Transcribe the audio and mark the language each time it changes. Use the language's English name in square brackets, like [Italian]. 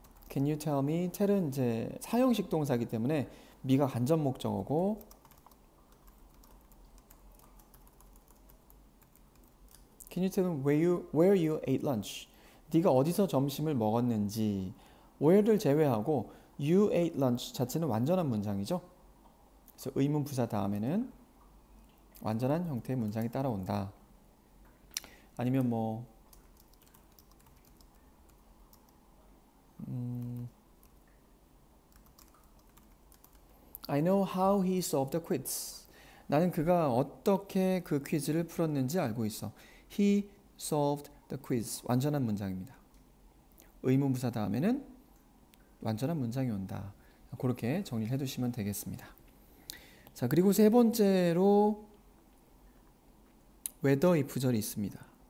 [English] Can you tell me? [Korean] 텔은 이제 사형식 동사이기 때문에 미가 간접 목적어고, [English] Can you tell me where you ate lunch? [Korean] 네가 어디서 점심을 먹었는지. where를 제외하고 [English] you ate lunch [Korean] 자체는 완전한 문장이죠. 그래서 의문 부사 다음에는 완전한 형태의 문장이 따라온다. 아니면 뭐 [English] I know how he solved the quiz. [Korean] 나는 그가 어떻게 그 퀴즈를 풀었는지 알고 있어. [English] He solved the quiz. [Korean] 완전한 문장입니다. 의문부사 다음에는 완전한 문장이 온다. 그렇게 정리를 해두시면 되겠습니다. 자, 그리고 세 번째로 [English] whether if [Korean] 절이 있습니다.